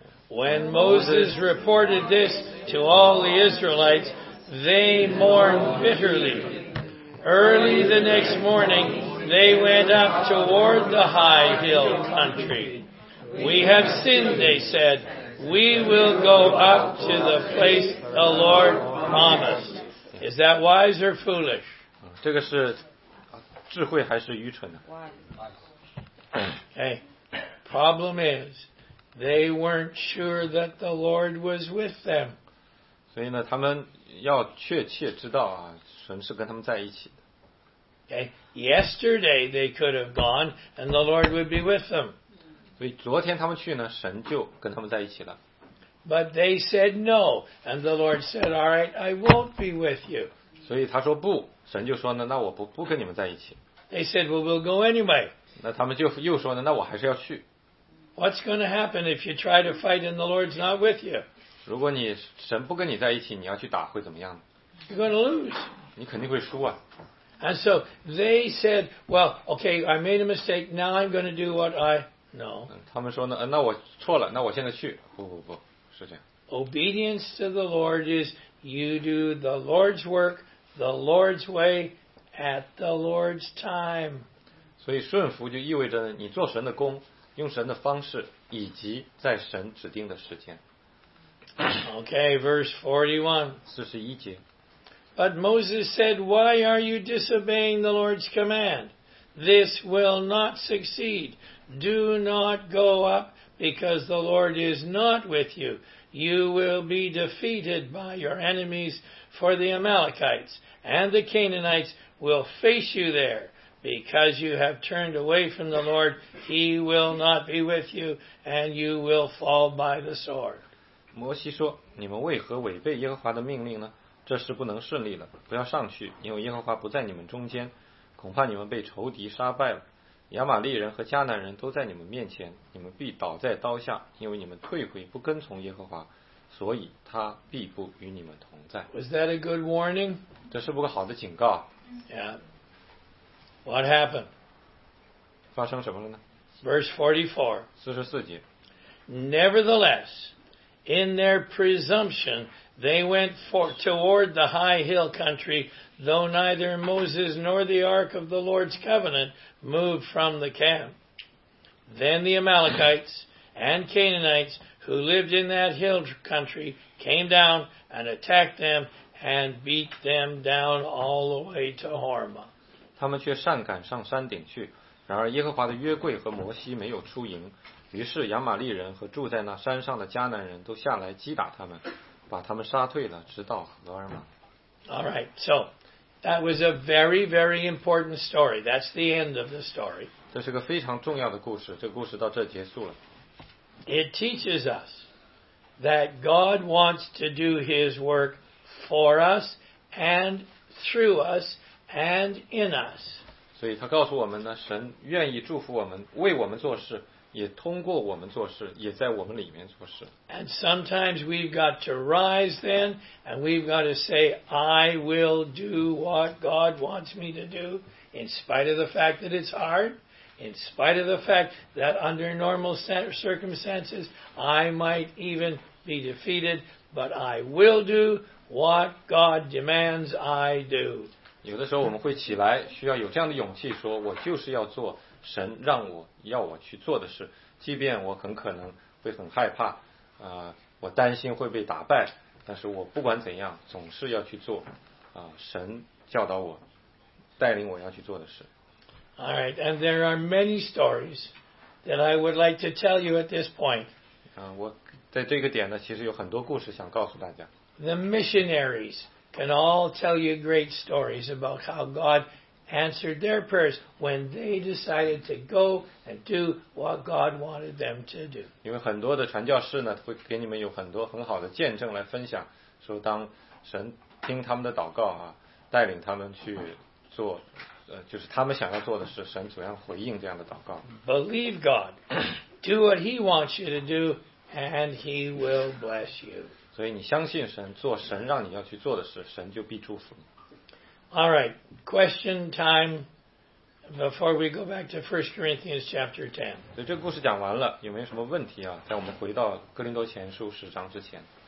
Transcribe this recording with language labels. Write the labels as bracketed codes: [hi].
[en] When Moses reported this to all the Israelites, they mourned bitterly. Early the next morning, they went up toward the high hill country. "We have sinned," they said. "We will go up to the place the Lord promised." Is that wise or foolish? [zh] 这个是智慧还是愚蠢呢？ [en] Okay. Problem is, they weren't sure that the Lord was with them. [zh] 所以呢，他们要确切知道啊，神是跟他们在一起。 [en] Okay. Yesterday they could have gone and the Lord would be with them. [zh] 所以昨天他们去呢，神就跟他们在一起了。 [en] But they said no, and the Lord said, "All right, I won't be with you." [zh] 所以他说不，神就说呢，那我不跟你们在一起。 [en] They said, "Well, we'll go anyway." [zh] 那他们就又说呢，那我还是要去。 [en] What's going to happen if you try to fight and the Lord's not with you? [zh] 如果你神不跟你在一起，你要去打会怎么样？ [en] You're going to lose. [zh] 你肯定会输啊。 [en] And so they said, "Well, okay, I made a mistake. Now I'm going to do what I know." [zh] 他们说呢，那我错了，那我现在去。不不不，是这样。 [en] Obedience to the Lord is you do the Lord's work, the Lord's way, at the Lord's time. [zh] 所以顺服就意味着你做神的工，用神的方式，以及在神指定的时间。 [en] Okay, verse 41. [zh] 41节。 [en] But Moses said, "Why are you disobeying the Lord's command? This will not succeed. Do not go up, because the Lord is not with you. You will be defeated by your enemies, for the Amalekites and the Canaanites will face you there. Because you have turned away from the Lord, he will not be with you, and you will fall by the sword." [zh] 摩西说，你们为何违背耶和华的命令呢？这事不能顺利了，不要上去，因为耶和华不在你们中间，恐怕你们被仇敌杀败了。亚玛利人和迦南人都在你们面前，你们必倒在刀下，因为你们退回不跟从耶和华，所以他必不与你们同在。 [en] Was that a good warning? [zh] 这是不个好的警告。 [en] Yeah. What happened? [zh] 发生什么了呢？ [en] Verse 44. [zh] 44节。 [en] Nevertheless, in their presumption, they went toward the high hill country, though neither Moses nor the Ark of the Lord's Covenant moved from the camp. Then the Amalekites and Canaanites who lived in that hill country came down and attacked them and beat them down all the way to Hormah. [zh] 他们却善赶上山顶去，然而耶和华的约柜和摩西没有出营，于是亚玛利人和住在那山上的迦南人都下来击打他们。把他们杀退了，直到荷尔玛。 [en] All right, so That was a very, very important story. That's the end of the story. [zh] 这是个非常重要的故事，这个故事到这结束了。 [en] It teaches us that God wants to do His work for us and through us and in us. [zh] 所以他告诉我们呢，神愿意祝福我们，为我们做事，也通过我们做事，也在我们里面做事。 [en] And sometimes we've got to rise then, and we've got to say, I will do what God wants me to do, in spite of the fact that it's hard, in spite of the fact that under normal circumstances, I might even be defeated, but I will do what God demands I do. [zh] 有的时候我们会起来，需要有这样的勇气说，我就是要做神让我要我去做的事，即便我很可能会很害怕，我担心会被打败，但是我不管怎样，总是要去做，神教导我，带领我要去做的事。 [en] All right, and there are many stories that I would like to tell you at this point. [zh] 我在这个点呢，其实有很多故事想告诉大家。 [en] The missionaries can all tell you great stories about how God. Answered their prayers when they decided to go and do what God wanted them to do. [zh] 因为很多的传教士呢，会给你们有很多很好的见证来分享，说当神听他们的祷告啊，带领他们去做，就是他们想要做的事，神怎样回应这样的祷告。 [en] Believe God, do what He wants you to do, and He will bless you. [zh] 所以你相信神，做神让你要去做的事，神就必祝福你。 [en] All right, question time before we go back to 1 Corinthians chapter 10. [zh] 所以这个故事讲完了，有没有什么问题啊？在我们回到哥林多前书十章之前。